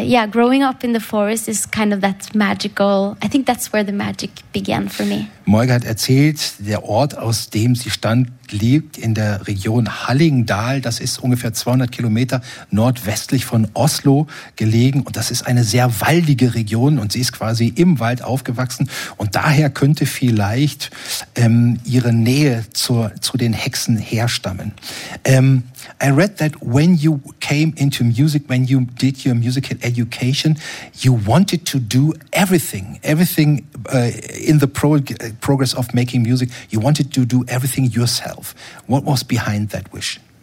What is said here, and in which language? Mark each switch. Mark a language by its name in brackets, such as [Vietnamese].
[English] Growing up in the forest is kind of that magical. I think that's where the magic began for me. [German] Moika hat erzählt, der Ort, aus dem sie stand, liegt in der Region Hallingdal. Das ist ungefähr 200 Kilometer nordwestlich von Oslo gelegen. Und das ist eine sehr waldige Region. Und sie ist quasi im Wald aufgewachsen. Und daher könnte vielleicht ihre Nähe zu den Hexen herstammen. [English] I read that when you came into music, when you did your musical education, you wanted to do everything in the progress of making music, you wanted to do everything yourself. What was behind that wish?